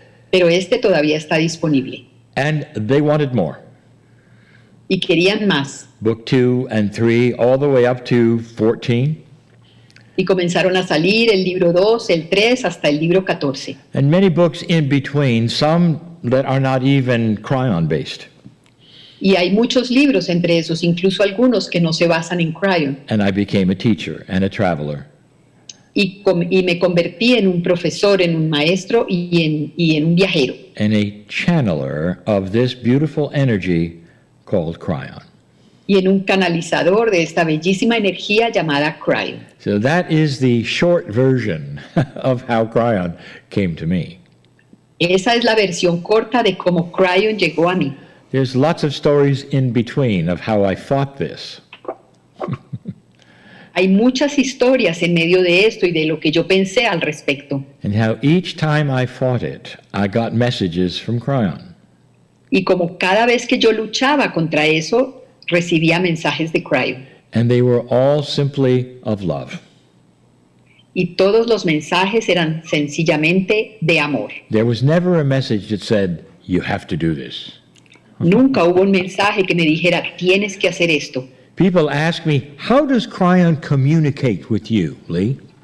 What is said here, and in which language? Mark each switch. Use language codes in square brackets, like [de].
[es] Pero este todavía está disponible. [en] And they wanted more. [es] Y querían más. [en] Book 2 and 3, all the way up to 14. [es] Y comenzaron a salir el libro 2, el 3, hasta el libro 14. [en] And many books in between, some that are not even Cryon based. [es] Y hay muchos libros entre esos, incluso algunos que no se basan en Cryon. [en] And I became a teacher and a traveler. [es] Y me convertí en un profesor, en un maestro y en un viajero. [en] And a channeler of this beautiful energy called Cryon. [es] Y en un canalizador de esta bellísima energía llamada Cryon. [en] So that is the short version of how Cryon came to me. [es] Esa es la versión corta de cómo Cryon llegó a mí. [en] There's lots of stories in between of how I fought this. [es] Hay muchas historias en medio de esto y de lo que yo pensé al respecto. [en] And how each time I fought it, I got messages from Cryon. [es] Y como cada vez que yo luchaba contra eso, recibía mensajes de Cryon. [en] And they were all simply of love. [es] Y todos los mensajes eran sencillamente de amor. [en] There was never a message that said, you have to do this. [es] Nunca hubo un mensaje que me dijera, tienes que hacer esto. [en] People ask me, how does Cryon communicate with you, Lee?